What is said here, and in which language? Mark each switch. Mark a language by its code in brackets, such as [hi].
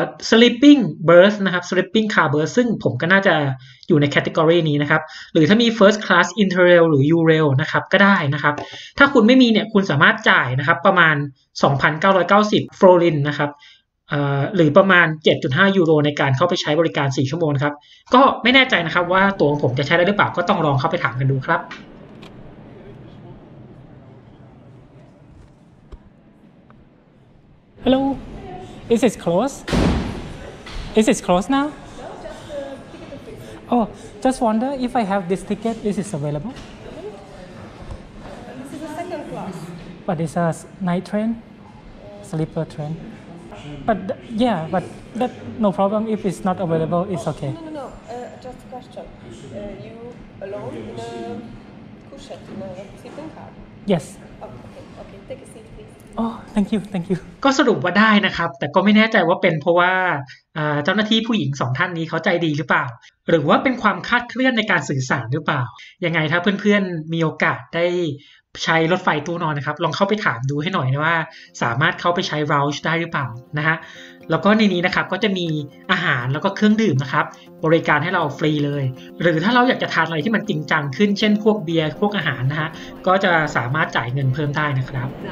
[th] Sleeping Berth นะครับ Sleeping Car Berth ซึ่งผมก็น่าจะอยู่ในแคตตาก็อนี้นะครับหรือถ้ามี First Class Interrail หรือ Eurail นะครับก็ได้นะครับถ้าคุณไม่มีเนี่ยคุณสามารถจ่ายนะครับประมาณ 2,990 ฟลอรินนะครับหรือประมาณ 7.5 ยูโรในการเข้าไปใช้บริการ4ชั่วโมงครับก็ไม่แน่ใจนะครับว่าตัวของผมจะใช้ได้หรือเปล่าก็ต้องลองเข้าไปถามกันดูครับ [en] ฮัลโหล Is it close? Is it close now? No, just ticket Oh, just wonder if I have this ticket, is it available? This is a second class. But it's a night train? Sleeper train? But yeah, but that no problem. If it's not available, it's okay. No, no, no. Just a question. You alone in a cushion in a sleeping car? Yes. Okay. Take a seat, please. Oh, thank you. [th] ก็สรุปว่าได้นะครับแต่ก็ไม่แน่ใจว่าเป็นเพราะว่าเจ้าหน้าที่ผู้หญิง2ท่านนี้เขาใจดีหรือเปล่าหรือว่าเป็นความคาดเคลื่อนในการสื่อสารหรือเปล่ายังไงถ้าเพื่อนๆมีโอกาสได้ใช้รถไฟตู้นอนนะครับลองเข้าไปถามดูให้หน่อยนะว่าสามารถเข้าไปใช้ Lounge ได้หรือเปล่านะฮะแล้วก็ในนี้นะครับก็จะมีอาหารแล้วก็เครื่องดื่มนะครับบริการให้เราฟรีเลยหรือถ้าเราอยากจะทานอะไรที่มันจริงจังขึ้นเช่นพวกเบียร์พวกอาหารนะฮะก็จะสามารถจ่ายเงินเพิ่มได้นะครับ